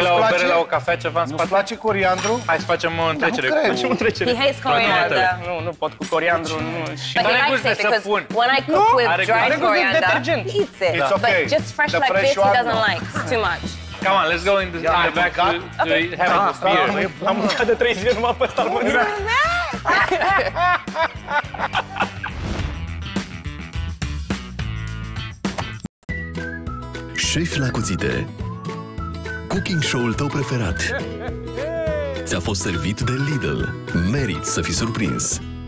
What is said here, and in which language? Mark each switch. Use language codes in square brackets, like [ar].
[ro] la o bere, la o cafea, ceva în spate. Nu-ți place coriandru? Hai să facem o întrecere. Facem o întrecere. [en] He hates coriandru. [ro] Nu, nu pot cu coriandru. [en] But he likes it because when I cook with dry coriandru, he eats it. It's okay. But just fresh like this, he doesn't like. It's too much. Come on, let's go in the, yeah, in the back to okay. have a beer. [ro] Am mâncat de 3 zile numai pe salmonella. Chefi la Cuțite. Cooking show-ul tău preferat. Ți-a fost servit de Lidl. Meriți să fii surprins.